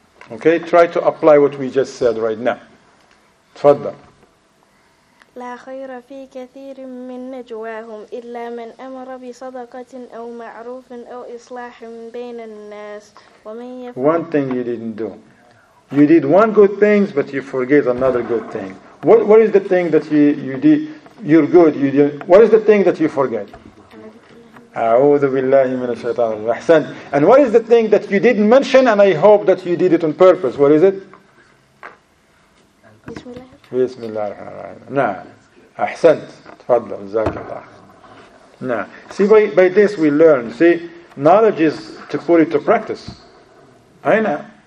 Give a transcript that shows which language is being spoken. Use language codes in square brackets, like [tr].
[en] Okay, try to apply what we just said right now. [ar] Tfadda. لا خير في كثير من نجواهم إلا من أمر بصدقة أو معروف أو إصلاح بين الناس ومن يفعل [en] One thing you didn't do. You did one good thing, but you forget another good thing. What is the thing that you did? You're good. You did. What is the thing that you forget? [ar] أعوذ بالله من الشيطان الرجيم. [en] And what is the thing that you didn't mention? And I hope that you did it on purpose. What is it? [ar] بسم الله الرحمن الرحيم. نعم. أحسنت. تفضل. جزاك الله. نعم. [en] See, by this we learn. See, knowledge is to put it to practice. I know.